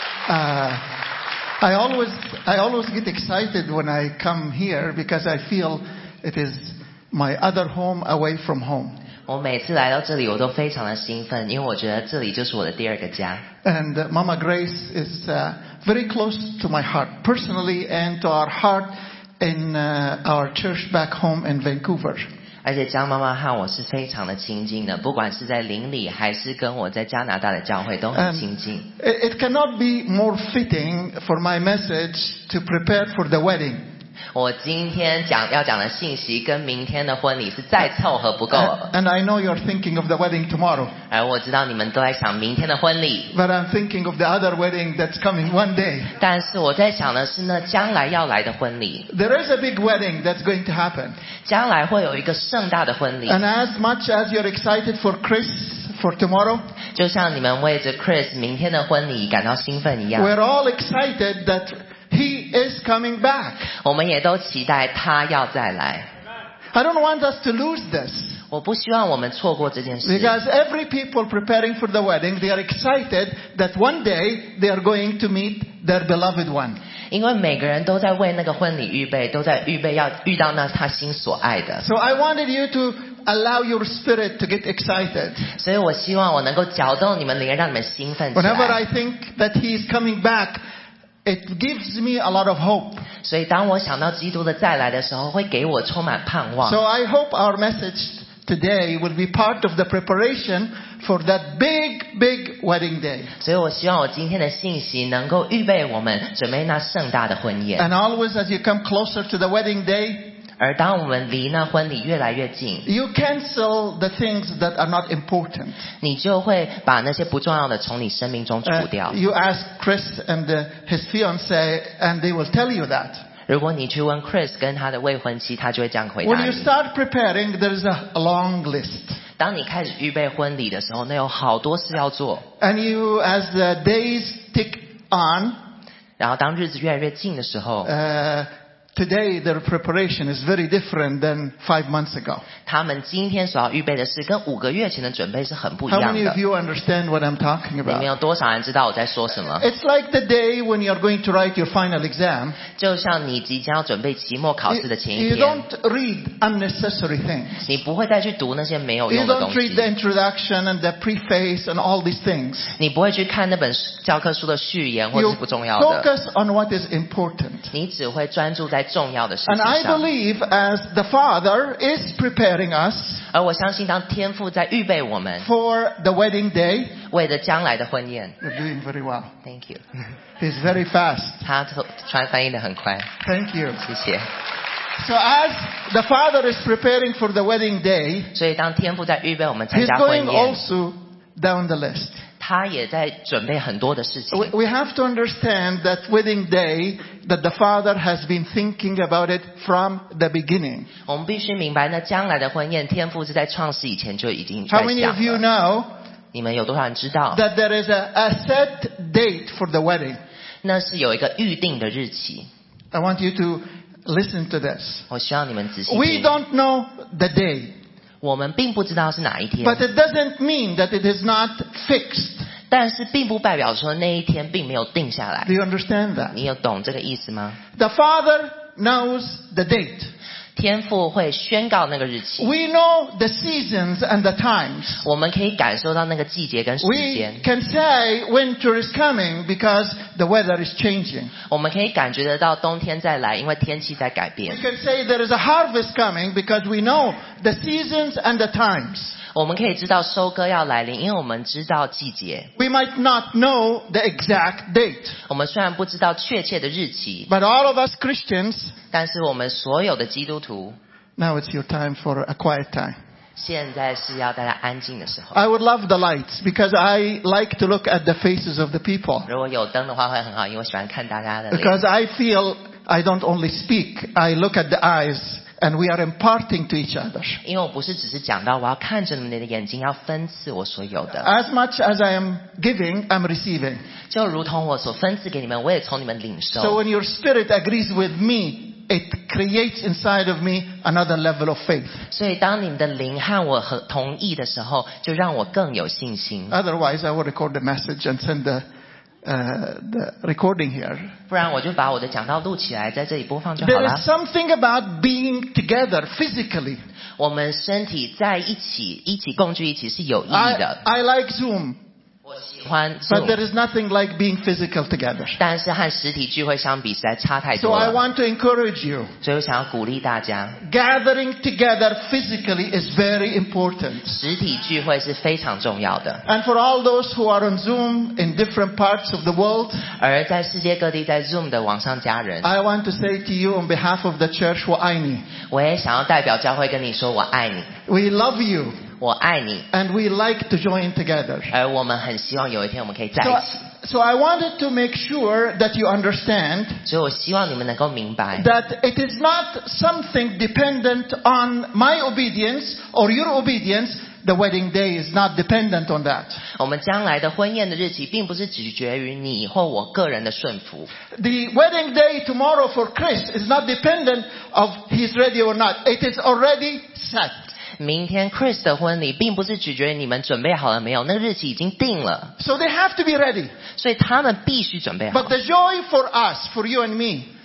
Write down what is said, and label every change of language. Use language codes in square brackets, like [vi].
[en] I always get excited when I come here because I feel it is my other home away from home. [zh] 我每次来到这里，我都非常的兴奋，因为我觉得这里就是我的第二个家。 [en] And Mama Grace is very close to my heart, personally, and to our heart in our church back home in Vancouver. [zh] 而且江妈妈和我是非常的亲近的，不管是在邻里还是跟我在加拿大的教会都很亲近。 [en] It cannot be more fitting for my message to prepare for the wedding. [zh] 我今天讲要讲的信息跟明天的婚礼是再凑合不够。 [en] And I know you're thinking of the wedding tomorrow. [zh] 而我知道你们都在想明天的婚礼。 [en] But I'm thinking of the other wedding that's coming one day. [zh] 但是我在想的是那将来要来的婚礼。 [en] There is a big wedding that's going to happen. [zh] 将来会有一个盛大的婚礼。 [en] And as much as you're excited for Chris for tomorrow, [zh] 就像你们为着 Chris 明天的婚礼感到兴奋一样。 [en] We're all excited that. He is coming back. [zh] 我们也都期待他要再来。 [en] I don't want us to lose this. [zh] 我不希望我们错过这件事。 [en] Because every people preparing for the wedding, they are excited that one day they are going to meet their beloved one. [zh] 因为每个人都在为那个婚礼预备，都在预备要遇到那他心所爱的。 [en] So I wanted you to allow your spirit to get excited. [zh] 所以我希望我能够搅动你们灵，让你们兴奋起来。 [en] Whenever I think that he is coming back. It gives me a lot of hope. [zh] 所以当我想到基督的再来的时候，会给我充满盼望。 [en] So I hope our message today will be part of the preparation for that big, big wedding day. [zh] 所以我希望我今天的信息能够预备我们准备那盛大的婚宴。 [en] And always as you come closer to the wedding day, [zh] 而当我们离那婚礼越来越近 [en] ，you cancel the things that are not important. [zh] 你就会把那些不重要的从你生命中除掉。 [en] You ask Chris and his fiance, and they will tell you that. [zh] 如果你去问 Chris 跟他的未婚妻，他就会这样回答你。 [en] When you start preparing, there is a long list. [zh] 当你开始预备婚礼的时候，那有好多事要做。 [en] And you, as the days tick on, [zh] 然后当日子越来越近的时候。 [en] Today their preparation is very different than 5 months ago. [zh] 他们今天所要预备的事跟五个月前的准备是很不一样的。 [en] How many of you understand what I'm talking about? [zh] 你们有多少人知道我在说什么 [en] ？It's like the day when you're going to write your final exam. [zh] 就像你即将要准备期末考试的前一天。 [en] You don't read unnecessary things. [zh] 你不会再去读那些没有用的东西。 [en] You don't read the introduction and the preface and all these things. [zh] 你不会去看那本教科书的序言或是不重要的。 [en] You focus on what is important. [zh] 你只会专注在重要的事情上。 [en] And I believe as the Father is preparing us, [zh] 而我相信当天父在预备我们 [en] for the wedding day, [zh] 为了将来的婚宴。 [en] You're doing very well. Thank you. He's very fast. [zh] 他传翻译得很快。 [en] Thank you. [zh] 谢谢。 [en] So as the Father is preparing for the wedding day, [zh] 所以当天父在预备我们参加婚宴。 [en] He's going also down the list. [zh] 他也在准备很多的事情。 [en] We have to understand that wedding day. That the Father has been thinking about it from the beginning. [zh] 我们必须明白，那将来的婚宴，天父是在创世以前就已经在想了。 [en] How many of you know? [zh] 你们有多少人知道 [en] ？That there is a set date for the wedding. [zh] 那是有一个预定的日期。 [en] I want you to listen to this. [zh] 我希望你们仔细听。 [en] We don't know the day. [zh] 我们并不知道是哪一天。 [en] But it doesn't mean that it is not fixed. [zh] 但是并不代表说那一天并没有定下来。 [en] Do you understand that? [zh] 你有懂这个意思吗 [en] ？The Father knows the date. [zh] 天父会宣告那个日期。 [en] We know the seasons and the times. [zh] 我们可以感受到那个季节跟时间。 [en] We can say winter is coming because the weather is changing. [zh] 我们可以感觉得到冬天再来，因为天气在改变。 [en] We can say there is a harvest coming because we know the seasons and the times. [zh] 我们可以知道收割要来临，因为我们知道季节。 [en] We might not know the exact date. [zh] 我们虽然不知道确切的日期。 [en] But all of us Christians. [zh] 但是我们所有的基督徒。 [en] Now it's your time for a quiet time. [zh] 现在是要大家安静的时候。 [en] I would love the lights because I like to look at the faces of the people. [zh] 如果有灯的话会很好，因为我喜欢看大家的脸。 [en] Because I feel I don't only speak, I look at the eyes. And we are imparting to each other. [zh] 因为我不是只是讲到，我要看着你们的眼睛，要分赐我所有的。 [en] As much as I am giving, I'm receiving. [zh] 就如同我所分赐给你们，我也从你们领受。 [en] So when your spirit agrees with me, it creates inside of me another level of faith. [zh] 所以当你们的灵和我同意的时候，就让我更有信心。 [en] Otherwise, I will record the message and send the the recording here. [zh] 不然我就把我的讲道录起来，在这里播放就好了。 [en] There is something about being together physically. [zh] 我们身体在一起，一起共聚一起是有意义的。 [en] I like Zoom. But there is nothing like being physical together. [zh] 但是和实体聚会相比实在差太多了。 [en] So I want to encourage you. [zh] 所以我想要鼓励大家。 [en] Gathering together physically is very important. [zh] 实体聚会是非常重要的。 [en] And for all those who are on Zoom in different parts of the world. [zh] 而在世界各地在 Zoom 的网上家人。 [en] I want to say to you on behalf of the church, [zh] 我爱你。我也想要代表教会跟你说我爱你。 [en] We love you. [zh] 我爱你 [en] and we like to join together. [zh] 而我们很希望有一天我们可以在一起。 [en] So I wanted to make sure that you understand. [zh] 所以我希望你们能够明白 [en] that it is not something dependent on my obedience or your obedience. The wedding day is not dependent on that. [zh] 我们将来的婚宴的日期并不是取决于你或我个人的顺服。 [en] The wedding day tomorrow for Chris is not dependent of he's ready or not. It is already set. [zh] 明天 Chris 的婚礼并不是取决于你们准备好了没有，那个日期已经定了。 [en] So they have to be ready. [zh] 所以他们必须准备好。 [en] But the joy for us, for you and me,